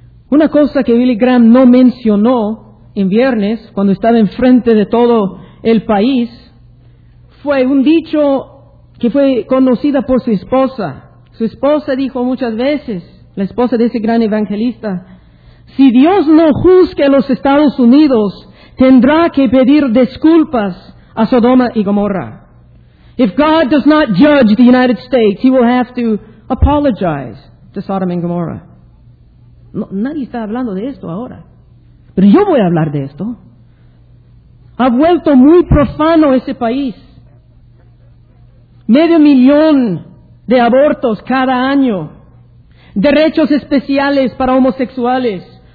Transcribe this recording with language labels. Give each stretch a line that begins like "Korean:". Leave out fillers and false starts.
Spanish: Una cosa que Billy Graham no mencionó en viernes, cuando estaba enfrente de todo el país, fue un dicho que fue conocida por su esposa. Su esposa dijo muchas veces, la esposa de ese gran evangelista, si Dios no juzgue a los Estados Unidos, tendrá que pedir disculpas a Sodoma y Gomorra.
English: If God does not judge the United States, he will have to apologize to Sodom and Gomorrah.
Spanish: No, nadie está hablando de esto ahora. Pero yo voy a hablar de esto. Ha vuelto muy profano ese país. 500,000 de abortos cada año. Derechos especiales para homosexuales.